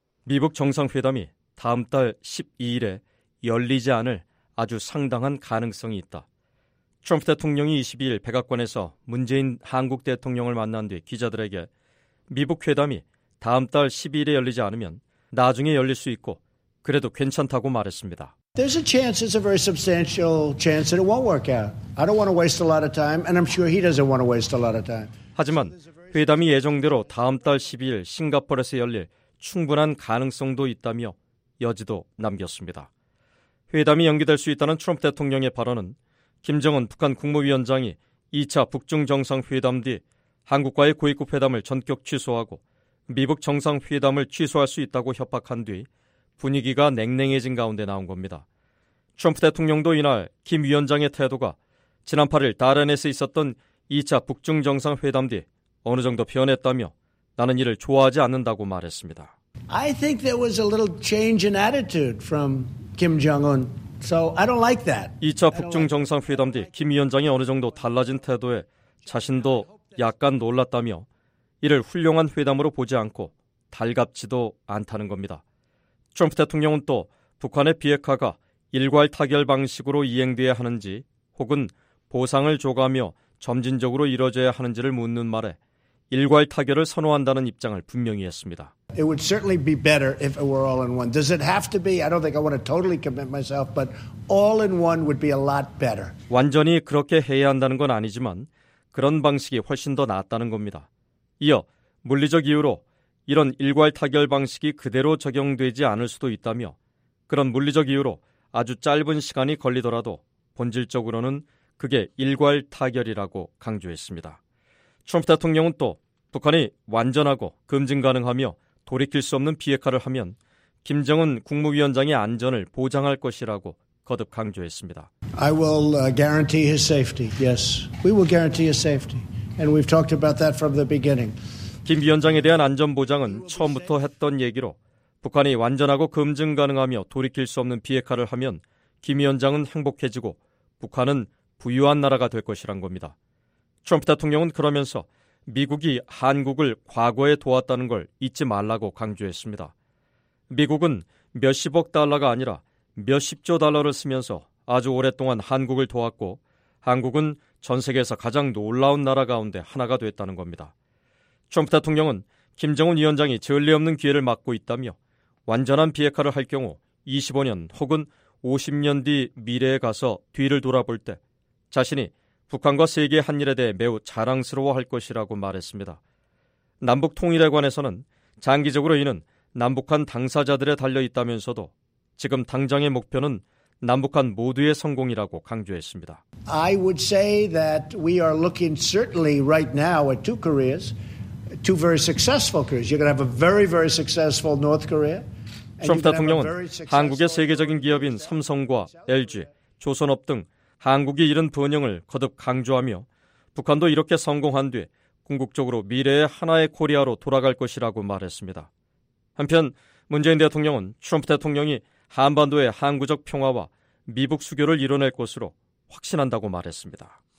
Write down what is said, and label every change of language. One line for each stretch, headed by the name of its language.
Korean: 미북 정상회담이 다음 달 12일에 열리지 않을 아주 상당한 가능성이 있다. 트럼프 대통령이 22일 백악관에서 문재인 한국 대통령을 만난 뒤 기자들에게 미북 회담이 다음 달 12일에 열리지 않으면 나중에 열릴 수 있고 그래도 괜찮다고 말했습니다.
English: There's a chance, it's a very substantial chance that it won't work out. I don't want to waste a lot of time, and I'm sure he doesn't want to waste a lot of time.
Korean: 하지만 회담이 예정대로 다음 달 12일 싱가포르에서 열릴 충분한 가능성도 있다며 여지도 남겼습니다. 회담이 연기될 수 있다는 트럼프 대통령의 발언은 김정은 북한 국무위원장이 2차 북중정상회담 뒤 한국과의 고위급 회담을 전격 취소하고 미북 정상회담을 취소할 수 있다고 협박한 뒤 분위기가 냉랭해진 가운데 나온 겁니다. 트럼프 대통령도 이날 김 위원장의 태도가 지난 8일 다르넷에서 있었던 2차 북중정상회담 뒤 어느 정도 변했다며 나는 이를 좋아하지 않는다고 말했습니다.
English: I think there was a little change in attitude from Kim Jong-un. So I don't like that.
Korean: 2차 북중 정상회담 뒤 김 위원장이 어느 정도 달라진 태도에 자신도 약간 놀랐다며 이를 훌륭한 회담으로 보지 않고 달갑지도 않다는 겁니다. 트럼프 대통령은 또 북한의 비핵화가 일괄 타결 방식으로 이행돼야 하는지 혹은 보상을 줘가며 점진적으로 이뤄져야 하는지를 묻는 말에 일괄 타결을 선호한다는 입장을 분명히 했습니다.
English: It would certainly be better if it were all in one. Does it have to be? I don't think I want to totally commit myself, but all in one would be a lot better.
Korean: 완전히 그렇게 해야 한다는 건 아니지만 그런 방식이 훨씬 더 낫다는 겁니다. 이어 물리적 이유로 이런 일괄 타결 방식이 그대로 적용되지 않을 수도 있다며 그런 물리적 이유로 아주 짧은 시간이 걸리더라도 본질적으로는 그게 일괄 타결이라고 강조했습니다. 트럼프 대통령은 또 북한이 완전하고 검증 가능하며 돌이킬 수 없는 비핵화를 하면 김정은 국무위원장의 안전을 보장할 것이라고 거듭 강조했습니다.
English: I will guarantee his safety. Yes, we will guarantee his safety. And we've talked about that from the beginning.
Korean: 김 위원장에 대한 안전 보장은 처음부터 했던 얘기로 북한이 완전하고 검증 가능하며 돌이킬 수 없는 비핵화를 하면 김 위원장은 행복해지고 북한은 부유한 나라가 될 것이란 겁니다. 트럼프 대통령은 그러면서 미국이 한국을 과거에 도왔다는 걸 잊지 말라고 강조했습니다. 미국은 몇십억 달러가 아니라 몇십조 달러를 쓰면서 아주 오랫동안 한국을 도왔고 한국은 전 세계에서 가장 놀라운 나라 가운데 하나가 됐다는 겁니다. 트럼프 대통령은 김정은 위원장이 전례 없는 기회를 맞고 있다며 완전한 비핵화를 할 경우 25년 혹은 50년 뒤 미래에 가서 뒤를 돌아볼 때 자신이 북한과 세계의 한 일에 대해 매우 자랑스러워할 것이라고 말했습니다. 남북 통일에 관해서는 장기적으로 이는 남북한 당사자들에 달려있다면서도 지금 당장의 목표는 남북한 모두의 성공이라고 강조했습니다.
English: I would say that we are looking certainly right now at two Koreas, two very successful Koreas. You're going to have a very, very successful North Korea.
Korean: 트럼프 대통령은 한국의 세계적인 기업인 삼성과 LG, 조선업 등 한국이 이룬 번영을 거듭 강조하며 북한도 이렇게 성공한 뒤 궁극적으로 미래의 하나의 코리아로 돌아갈 것이라고 말했습니다. 한편 문재인 대통령은 트럼프 대통령이 한반도의 항구적 평화와 미북 수교를 이뤄낼 것으로 확신한다고 말했습니다.